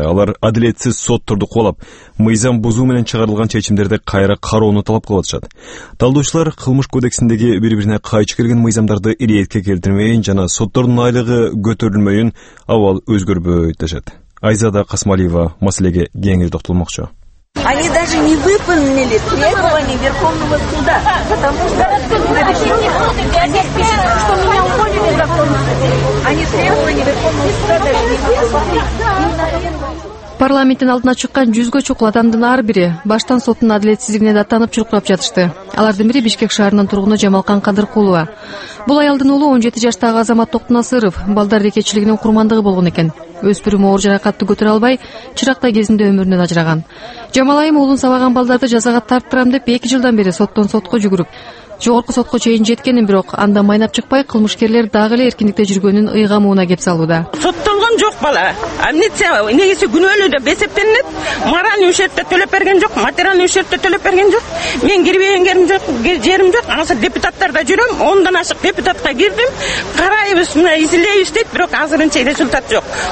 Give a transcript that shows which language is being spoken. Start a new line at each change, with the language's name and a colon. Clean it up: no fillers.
Kyrgyz: Алар адилетсиз сотторду колоп, мыйзам бузуу менен чыгарылган чечимдерди кайра кароону талап кылып атышат. Талдоочулар кылмыш кодексиндеги бири-бирине кайшы келген мыйзамдарды иретке келтирмөйүн жана соттордун айлыгы көтөрүлмөйүн абал өзгөрбөйт дешет. Айзада Касмалиева маселеге кеңири токтолмокчу.
Russian: Они даже не выполнили требования Верховного суда, потому что они пишут, что меня уволили законно. Они требования Верховного суда даже не выполнили.
Kyrgyz: Парламенттин алдына чыккан 100 чукул адамдын ар бири баштан соттун адилетсиздигине даттанып чуркурап жатышты. Алардын бири Бишкек шаарынын тургуну Жамалкан Кадыркулова. Бул аялдын уулу 17 жаштагы Азамат Токтунасыров балдар рекетчилигинин курмандыгы болгон экен. Өспүрүм оор жаракатты көтөрө албай чырактай кезинде өмүрүнөн ажыраган. Жамал айым уулун сабаган балдарды жазага тарттырам деп 2 жылдан бери соттон сотко жүгүрүп, жогорку сотко чейин жеткенин, бирок анда майнап чыкпай кылмышкерлер дагы эле эркиндикте жүргөнүн ыйгамууна кеп салууда. Соттолгон жок бала. Амнеция негизи күнөөлүү деп эсептелинет. Моральный ущерб да төлөп берген жок, материальный ущерб да төлөп берген жок. Мен кирбеген жерим жок, жерим жок. Азыр депутаттарда жүрөм, 10 ашык депутатка кирдим. Карайбыз, мына изилейбиз дейт, бирок азырынча результат жок.